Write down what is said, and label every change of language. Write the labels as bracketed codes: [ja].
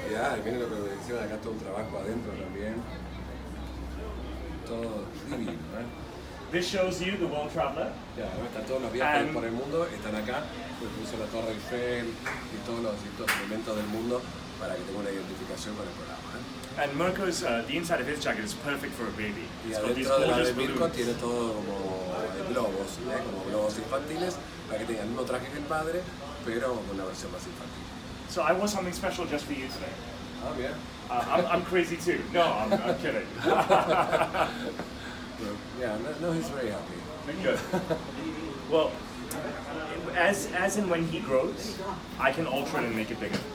[es] Ya, yeah, miren lo que me decían. Acá todo un trabajo adentro también. Todo divino, ¿eh? [en] This shows you the world traveler. [es] Yeah, ¿no? Están todos los viajes [en] and [es] por el mundo, están acá. Pues puse la Torre Eiffel y todos los distintos elementos del mundo para que tenga una identificación con el programa. [en] And Mirko's, the inside of his jacket is perfect for a baby. It's got these gorgeous balloons. [es] Y adentro de Mirko tiene todo como globos, ¿eh? Como globos infantiles, para que tenga el mismo traje que el padre, pero con una versión más infantil. [en] So I want something special just for you today. Oh, yeah. I'm crazy too. No, I'm kidding. Yeah, no, he's very happy. Good. Well, as in when he grows, I can alter it and make it bigger.